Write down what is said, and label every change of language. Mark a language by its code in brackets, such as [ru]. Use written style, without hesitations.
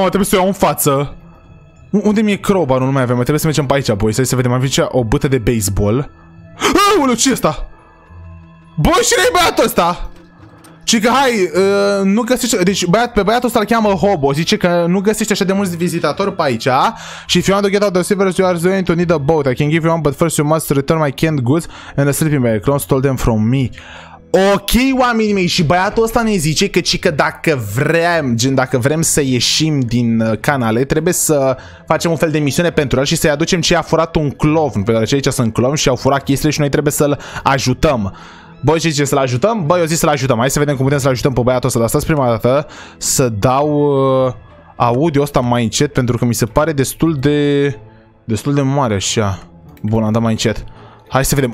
[ro] Trebuie să o iau în față. Unde mi-e crowbar? Nu mai avem. Trebuie să mergem pe aici, boys. Hai să vedem. Avem aici o bâtă de baseball. Aoleu, ce-i asta? Bă, și ne-i băiatul ăsta? Cică, hai, nu găsește... Deci, pe băiatul ăsta îl cheamă Hobo. Zice că nu găsește așa de mulți vizitatori pe aici. Și [en] if you want to get out of the sewers, you are going to need a boat. I can give you one, but first you must return my canned goods and a sleeping bag. Clowns stole them from me. [ro] Ok, oamenii mei, și băiatul ăsta ne zice că, cică, dacă vrem să ieșim din canale, trebuie să facem un fel de misiune pentru el și să-i aducem ce i-a furat un clovn. Pentru că aici sunt clovni și au furat chestiile și noi trebuie să-l ajutăm. Băi, ce zice, să-l ajutăm? Băi, eu zic să-l ajutăm. Hai să vedem cum putem să-l ajutăm pe băiatul ăsta. Dar stați prima dată să dau audio ăsta mai încet, pentru că mi se pare destul de mare așa. Bun, am dat mai încet. Hai să vedem.